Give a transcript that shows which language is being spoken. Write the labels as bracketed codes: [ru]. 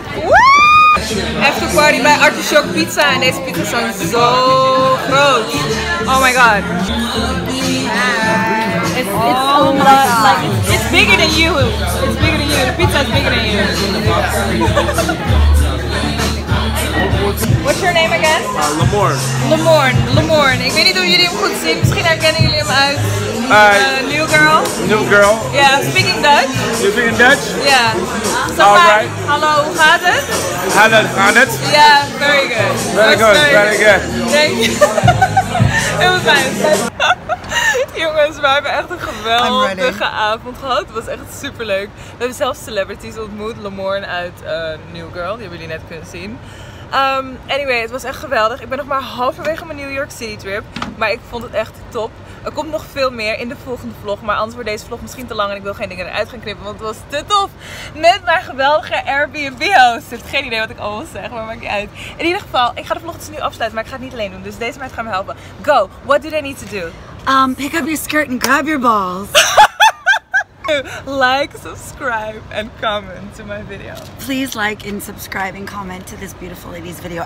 [en] After party by Artichoke Pizza, and this pizza sounds so gross. Oh my God. It's bigger than you. It's bigger than you. The pizza's bigger than you. What's your name again? Lamorne. [nl] Ik weet niet of jullie hem goed zien. Misschien herkennen jullie hem uit. [en] New Girl. New Girl. Yeah, speaking Dutch. You speaking Dutch? Yeah. So alright. [nl] Hallo, hoe gaat het? Hallo, gaat het? [en] Yeah, very good. Very good. Thank you. [nl] Heel fijn. Jongens, we hebben echt een geweldige avond gehad. Het was echt superleuk. We hebben zelfs celebrities ontmoet. Lamorne uit New Girl. Die hebben jullie net kunnen zien. Anyway, het was echt geweldig. Ik ben nog maar halverwege mijn New York City trip. Maar ik vond het echt top. Er komt nog veel meer in de volgende vlog. Maar anders wordt deze vlog misschien te lang. En ik wil geen dingen eruit gaan knippen. Want het was te tof. Met mijn geweldige Airbnb-host. Ik heb geen idee wat ik allemaal zeg. Maar maakt niet uit. In ieder geval, ik ga de vlog dus nu afsluiten. Maar ik ga het niet alleen doen. Dus deze meid gaat me helpen. [en] Go. What do they need to do? Pick up your skirt and grab your balls. Like, subscribe, and comment to my video. Please like and subscribe and comment to this beautiful lady's video.